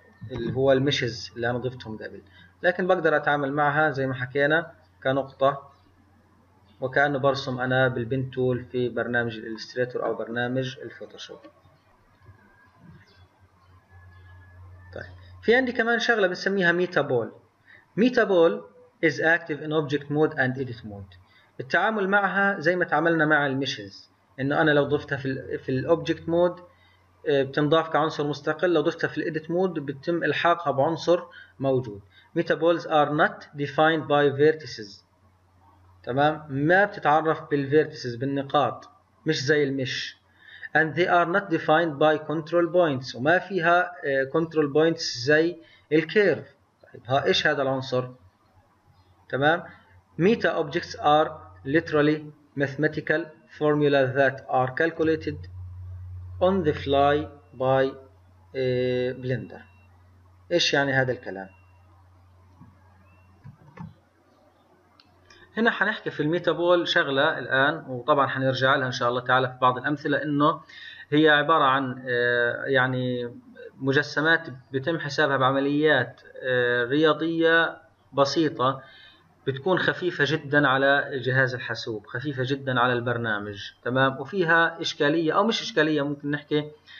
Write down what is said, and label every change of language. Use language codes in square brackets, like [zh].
[ar] اللي هو المشز اللي انا ضفتهم قبل، لكن بقدر اتعامل معها زي ما حكينا كنقطه وكانه برسم انا بالبن تول في برنامج الالستريتور او برنامج الفوتوشوب. طيب في عندي كمان شغله بنسميها ميتا بول. [en] Metaball is active in object mode and edit mode. [ar] التعامل معها زي ما تعاملنا مع المشز، انه انا لو ضفتها في الاوبجكت مود بتنضاف كعنصر مستقل، لو ضفتها في الايديت مود بتتم الحاقها بعنصر موجود. [en] Metaballs are not defined by vertices [ar] تمام، ما بتتعرف بالvertices بالنقاط مش زي المش. [en] And they are not defined by control points [ar] وما فيها [en] control points [ar] زي الكيرف. طيب ها ايش هذا العنصر تمام. [en] Meta objects are literally mathematical formulas that are calculated on the fly by Blender. [ar] ايش يعني هذا الكلام؟ هنا حنحكي في الميتا بول شغله الان، وطبعا حنرجع لها ان شاء الله تعالى في بعض الامثله، انه هي عباره عن يعني مجسمات بيتم حسابها بعمليات رياضيه بسيطه بتكون خفيفة جدا على جهاز الحاسوب، خفيفة جدا على البرنامج تمام. وفيها إشكالية أو مش إشكالية، ممكن نحكي